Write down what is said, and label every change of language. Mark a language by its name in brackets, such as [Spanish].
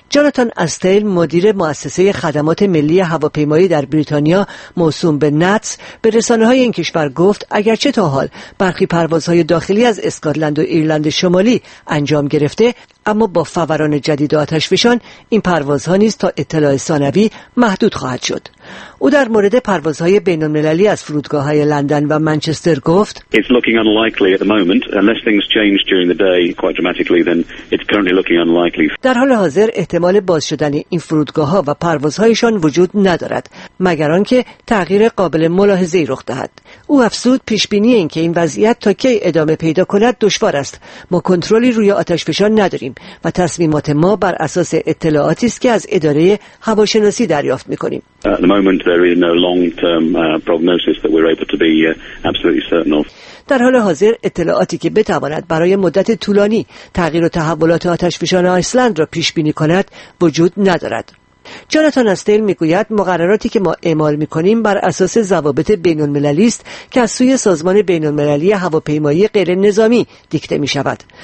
[Persian] جاناتان استیل مدیر مؤسسه خدمات ملی هواپیمایی در بریتانیا موسوم به نتس به رسانه‌های این کشور گفت اگرچه تا حال برخی پروازهای داخلی از اسکاتلند و ایرلند شمالی انجام گرفته، اما با فوران جدید آتش‌فشان این پروازها نیز تا اطلاع ثانوی محدود خواهد شد. او در مورد پروازهای بین‌المللی از فرودگاه‌های لندن و منچستر گفت [English] It's looking unlikely at the moment unless things change during the day quite dramatically then it's currently looking unlikely. [Persian] در حال حاضر احتمال باز شدن این فرودگاه‌ها و پروازهایشان وجود ندارد مگر آنکه تغییر قابل ملاحظه‌ای رخ دهد. او افزود پیش‌بینی این که این وضعیت تا کی ادامه پیدا کند دشوار است. ما کنترلی روی آتش‌فشان نداریم و تصمیمات ما بر اساس اطلاعاتی است که از اداره هواشناسی دریافت می‌کنیم. [English] At the moment there is no long-term prognosis that we're able to be absolutely certain of. [Persian] در حال حاضر اطلاعاتی که بتواند برای مدت طولانی تغییر و تحولات آتش‌فشان آیسلند را پیش بینی کند وجود ندارد. جاناتان استیل میگوید مقرراتی که ما اعمال میکنیم بر اساس ضوابط بین المللی است که از سوی سازمان بین المللی هواپیمایی غیر نظامی دیکته میشود.